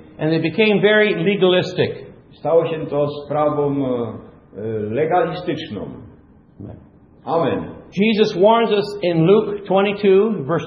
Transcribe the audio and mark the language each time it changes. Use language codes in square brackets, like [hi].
[en] And they became very legalistic. [pl] Stało się to sprawą legalistyczną. [en] Amen. Jesus warns us in Luke 22, verse